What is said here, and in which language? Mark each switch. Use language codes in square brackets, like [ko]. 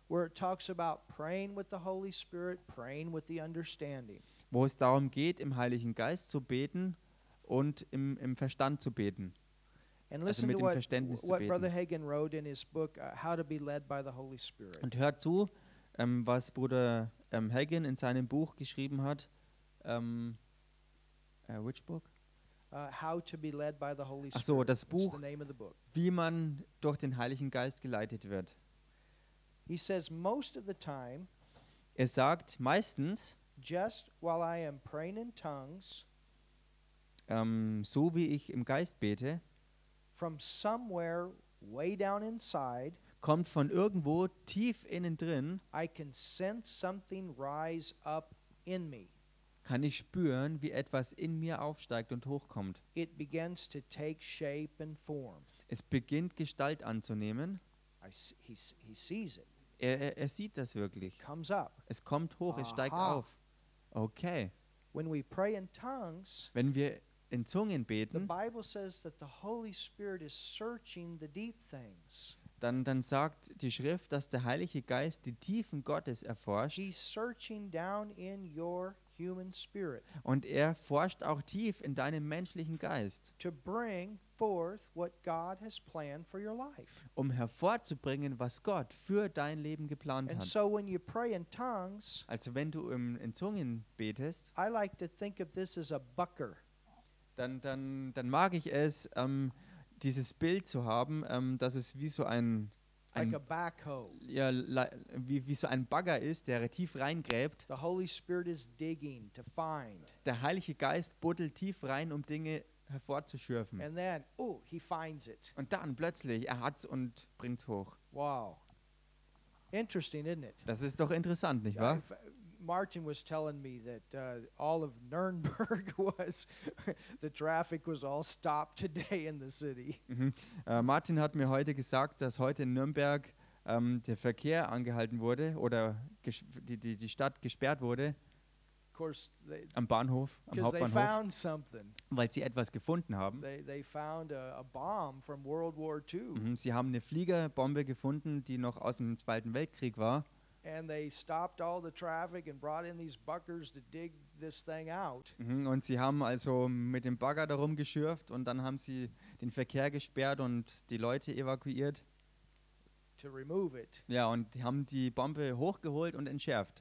[en] Where it talks about praying with the Holy Spirit, praying with the understanding. [de] Wo es darum geht, im Heiligen Geist zu beten und im Verstand zu beten. [en] And listen to what Brother Hagen wrote in his book, How to be Led by the Holy Spirit. [de] Und hört zu, was Bruder Hagen in seinem Buch geschrieben hat. [en] Which book? How to be Led by the Holy Spirit. [de] Ach so, das Buch, wie man durch den Heiligen Geist geleitet wird. [en] He says, most of the time, [de] er sagt, meistens, [en] just while I am praying in tongues, [de] so wie ich im Geist bete, [en] from somewhere way down inside, [de] kommt von irgendwo tief innen drin, [en] I can sense something rise up in me. [de] Kann ich spüren, wie etwas in mir aufsteigt und hochkommt. [en] It begins to take shape and form. [de] Es beginnt Gestalt anzunehmen. [en] He sees it. [de] Er sieht das wirklich. [en] It comes up. [de] Es kommt hoch, es steigt auf. Okay. [en] When we pray in tongues, [de] wenn wir in Zungen beten, [en] the Bible says that the Holy Spirit is searching the deep things. [de] Dann sagt die Schrift, dass der Heilige Geist die Tiefen Gottes erforscht. [en] He's searching down in your human spirit. [de] Und er forscht auch tief in deinem menschlichen Geist. [en] To bring forth what God has planned for your life. [de] Um hervorzubringen, was Gott für dein Leben geplant [en] and [de] hat. [en] So when you pray in tongues, [de] also wenn du in Zungen betest, [en] I like to think of this as a bucker. [de] Dann mag ich es, dieses Bild zu haben, dass es wie so ein [en] like a backhoe. [de] Ja, wie so ein Bagger ist, der tief reingräbt. [en] The Holy Spirit is digging to find. [de] Der Heilige Geist buddelt tief rein, um Dinge hervorzuschürfen. [en] And then, oh, he finds it. [de] Und dann plötzlich, er hat's und bringt's hoch. [en] Wow. Interesting, isn't it? [de] Das ist doch interessant, nicht wahr? [en] Martin was telling me that all of Nuremberg was the traffic was all stopped today in the city. [de] Martin hat mir heute gesagt, dass heute in Nürnberg der Verkehr angehalten wurde oder die Stadt gesperrt wurde. [en] Of course they, [de] am Bahnhof, am Hauptbahnhof. [en] They found something. [de] Weil sie etwas gefunden haben. [en] They found a bomb from World War II. [de] Sie haben eine Fliegerbombe gefunden, die noch aus dem Zweiten Weltkrieg war. [en] And they stopped all the traffic and brought in these buggers to dig this thing out. [de] Und sie haben also mit dem Bagger darum geschürft und dann haben sie den Verkehr gesperrt und die Leute evakuiert. [en] To remove it. [de] Ja, und haben die Bombe hochgeholt und entschärft.